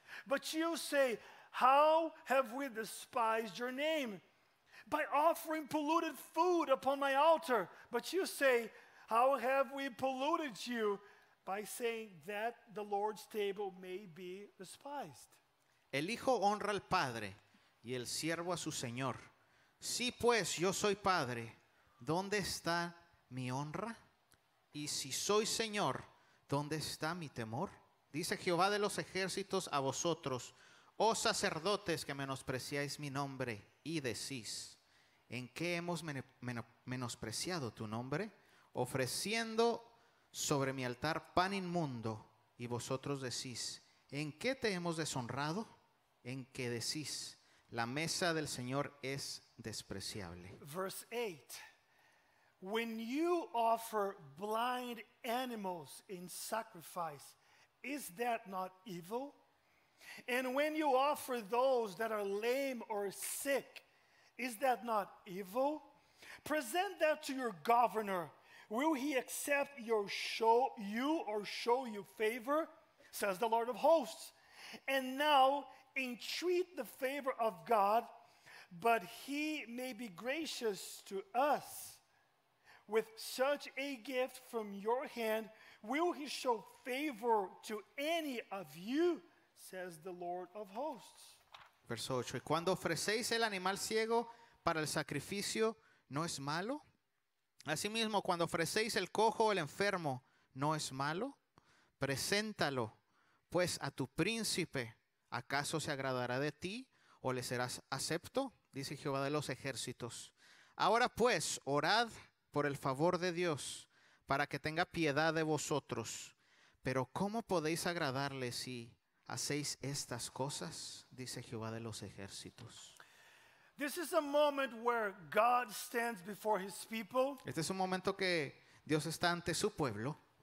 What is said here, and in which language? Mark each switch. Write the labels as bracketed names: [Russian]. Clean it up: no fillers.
[English] But you say, how have we despised your name? By offering polluted food upon my altar. But you say, how have we polluted you? By saying that the Lord's table may be despised. [Spanish] El hijo honra al padre y el siervo a su señor. Si pues yo soy padre, ¿dónde está mi honra? Y si soy señor, ¿dónde está mi temor? Dice Jehová de los ejércitos a vosotros, oh sacerdotes que menospreciáis mi nombre y decís, ¿en qué hemos menospreciado tu nombre? Ofreciendo sobre mi altar pan inmundo y vosotros decís, ¿en qué te hemos deshonrado? En que decís, la mesa del Señor es despreciable. [English] Verse 8. When you offer blind animals in sacrifice, is that not evil? And when you offer those that are lame or sick, is that not evil? Present that to your governor. Will he accept your show you or show you favor? Says the Lord of hosts. And now entreat the favor of God, but he may be gracious to us. With such a gift from your hand, will he show favor to any of you? Says the Lord of hosts. [Spanish] Verso 8. Y cuando ofrecéis el animal ciego para el sacrificio, ¿no es malo? Asimismo, cuando ofrecéis el cojo o el enfermo, ¿no es malo? Preséntalo, pues, a tu príncipe. ¿Acaso se agradará de ti o le serás acepto? Dice Jehová de los ejércitos. Ahora pues, orad por el favor de Dios para que tenga piedad de vosotros. Pero ¿cómo podéis agradarle si hacéis estas cosas? Dice Jehová de los ejércitos. [English] This is a moment where God stands before his people. [Spanish] Este es un momento que Dios está ante su pueblo.